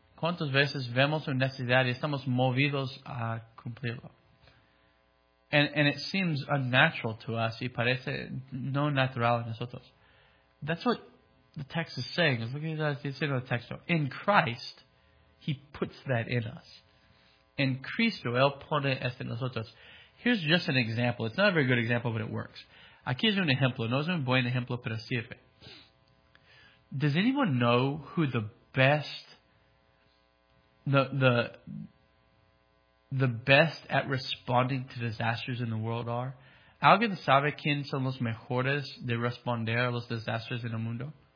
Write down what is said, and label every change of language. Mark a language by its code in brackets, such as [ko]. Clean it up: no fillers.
[es] ¿Cuántas veces vemos una necesidad y estamos movidos a cumplirlo? [en] And it seems unnatural to us. [es] Y parece no natural a nosotros. [en] That's what the text is saying. Look at what it says in the text. In Christ, He puts that in us. [es] En Cristo, Él pone esto en nosotros. [en] Here's just an example. It's not a very good example, but it works. [es] Aquí es un ejemplo. No es un buen ejemplo, pero sirve. [en] Does anyone know who the best, the best at responding to disasters in the world are? [es] ¿Alguien sabe quién son los mejores de responder a los desastres en el mundo?